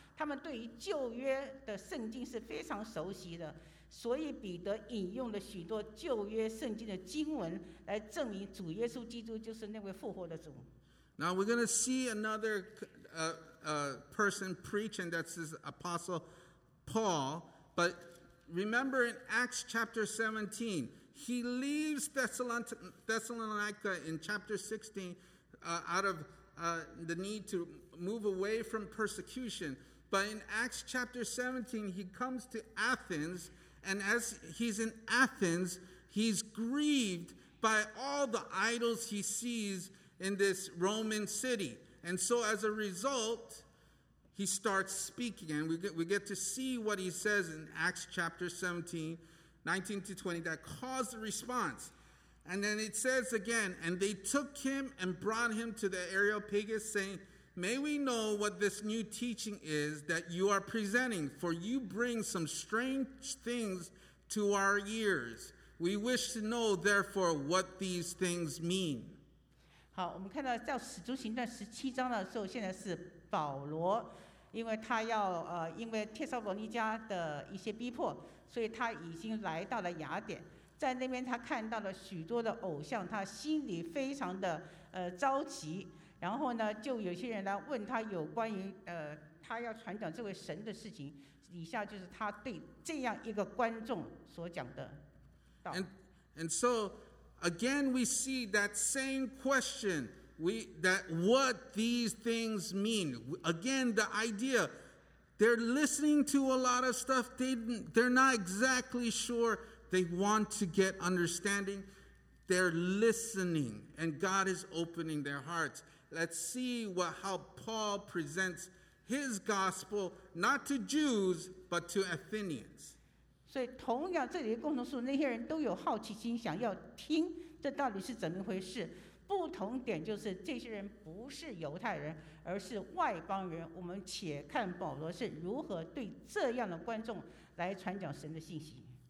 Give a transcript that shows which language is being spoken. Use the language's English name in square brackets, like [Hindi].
[Chinese] 他们对于旧约的圣经是非常熟悉的，所以彼得引用了许多旧约圣经的经文来证明主耶稣基督就是那位复活的主。 [English] Now we're going to see another person preaching, that's his apostle Paul. But remember in Acts chapter 17, he leaves Thessalonica in chapter 16 out of the need to move away from persecution. But in Acts chapter 17, he comes to Athens, and as he's in Athens, he's grieved by all the idols he sees in this Roman city. And so as a result, he starts speaking, and we get to see what he says in Acts chapter 17, 19 to 20, that caused the response. And then it says again, and they took him and brought him to the Areopagus, saying, May we know what this new teaching is that you are presenting, for you bring some strange things to our ears. We wish to know, therefore, what these things mean. [Chinese] 好，我们看到在《使徒行传》十七章的时候，现在是保罗，因为他要因为帖撒罗尼迦的一些逼迫，所以他已经来到了雅典，在那边他看到了许多的偶像，他心里非常的着急。然后呢，就有些人来问他有关于他要传讲这位神的事情。以下就是他对这样一个观众所讲的道。 [English] And so again, we see that same question. That what these things mean. Again, the idea. They're listening to a lot of stuff. They're not exactly sure. They want to get understanding. They're listening, and God is opening their hearts. Let's see how Paul presents his gospel, not to Jews, but to Athenians. [Chinese] 所以同样这里的共同处，那些人都有好奇心，想要听这到底是怎么回事。不同点就是这些人不是犹太人，而是外邦人。我们且看保罗是如何对这样的观众来传讲神的信息。